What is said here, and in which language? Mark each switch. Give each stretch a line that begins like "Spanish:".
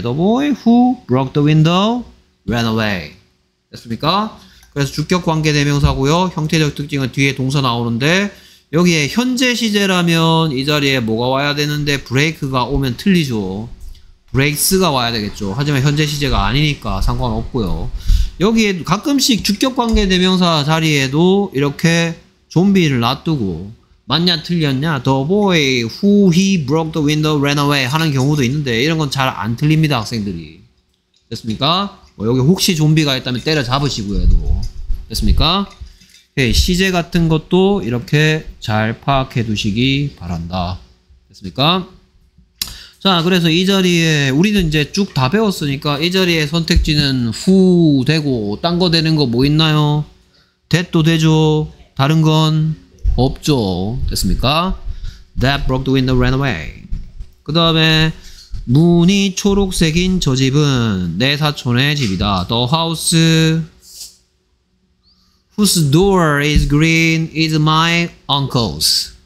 English: The boy who broke the window ran away.
Korean: 됐습니까? 그래서 주격 관계 대명사고요. 형태적 특징은 뒤에 동사 나오는데, 여기에 현재 시제라면 이 자리에 뭐가 와야 되는데 브레이크가 오면 틀리죠. 브레이크스가 와야 되겠죠. 하지만 현재 시제가 아니니까 상관없고요. 여기에 가끔씩 주격관계 대명사 자리에도 이렇게 좀비를 놔두고 맞냐 틀렸냐,
English: The boy who he broke the window ran away
Korean: 하는 경우도 있는데 이런 건 잘 안 틀립니다, 학생들이. 됐습니까? 뭐 여기 혹시 좀비가 있다면 때려잡으시고요, 얘도. 됐습니까? 시제 같은 것도 이렇게 잘 파악해 두시기 바란다. 됐습니까? 자, 그래서 이 자리에 우리는 이제 쭉 다 배웠으니까 이 자리에 선택지는 후 되고 딴 거 되는 거 뭐 있나요? 됐도 되죠. 다른 건 없죠. 됐습니까?
English: That broke the window ran away.
Korean: 그 다음에 문이 초록색인 저 집은 내 사촌의 집이다.
English: The house whose door is green is my uncle's.